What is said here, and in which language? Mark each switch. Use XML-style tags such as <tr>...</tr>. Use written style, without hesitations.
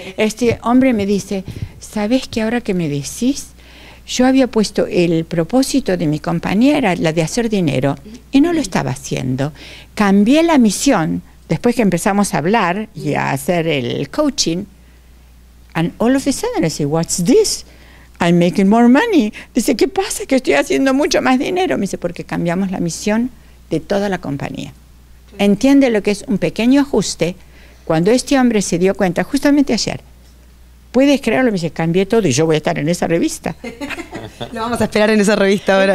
<es>Este hombre me dice, ¿sabes que ahora que me decís? Yo había puesto el propósito de mi compañera, la de hacer dinero, y no lo estaba haciendo. Cambié la misión después que empezamos a hablar y a hacer el coaching.</es> <en>And all of a sudden I say, what's this? I'm making more money.</en> <es>Dice, ¿qué pasa? Que estoy haciendo mucho más dinero. Me dice, porque cambiamos la misión de toda la compañía. Entiende lo que es un pequeño ajuste. Cuando este hombre se dio cuenta, justamente ayer, puedes creerlo, me dice, cambié todo y yo voy a estar en esa revista. Lo vamos a esperar en esa revista ahora.</es>